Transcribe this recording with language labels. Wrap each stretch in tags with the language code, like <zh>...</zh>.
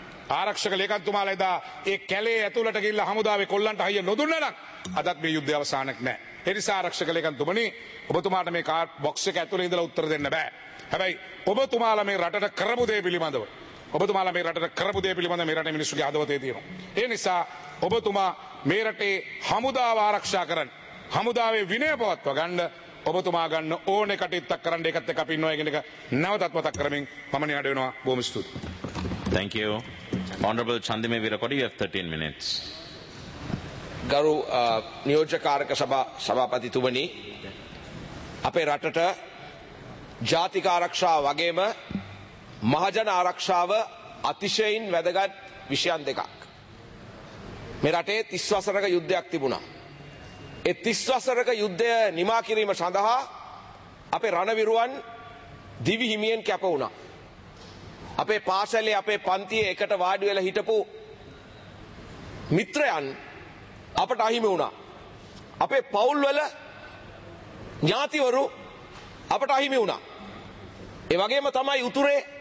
<si>ආරක්ෂක ලේකම්තුමාලා එදා ඒ කැලේ ඇතුලට ගිහිල්ලා හමුදාවේ කොල්ලන්ට අයිය නුදුන්නා නම් අදත් මේ යුද්ධය අවසානක් නැහැ එනිසා ආරක්ෂක ලේකම්තුමනි ඔබතුමාට මේ කාර් බොක්ස් එක ඇතුලේ ඉඳලා උත්තර දෙන්න බෑ හැබැයි ඔබතුමාලා මේ රටට කරපු දේ පිළිබඳව ඔබතුමාලා මේ රටට කරපු දේ පිළිබඳව මේ රටේ මිනිස්සුගේ අදවතේ තියෙනවා ඒ නිසා ඔබතුමා මේ රටේ හමුදාව ආරක්ෂා කරන්න හමුදාවේ විනය පවත්වා ගන්න ඔබතුමා ගන්න ඕනේ කටයුත්තක් කරන්න ඒකත් එක්ක අපි ඉන්නවා කියන එක නැවතත් මතක් කරමින් මම නිහඬ වෙනවා බොහොම ස්තුතියි</si> <en>Thank you Honorable Chandime Virakodi you have 13 minutes</en> <si>ගරු නියෝජකාරක සභා සභාපතිතුමනි අපේ රටට ජාතික ආරක්ෂාව වගේම මහජන ආරක්ෂාව අතිශයින් වැදගත් විෂයන් දෙකක් මේ රටේ 30 වසරක යුද්ධයක් තිබුණා ඒ 30 වසරක යුද්ධය නිමා කිරීම සඳහා අපේ රණවිරුවන් දිවි හිමියෙන් කැප වුණා අපේ පාසලේ අපේ පන්තියේ එකට වාඩි වෙලා හිටපු මිත්‍රයන් අපට අහිමි වුණා අපේ පවුල්වල ඥාතිවරු අපට අහිමි වුණා ඒ වගේම තමයි උතුරේ</si>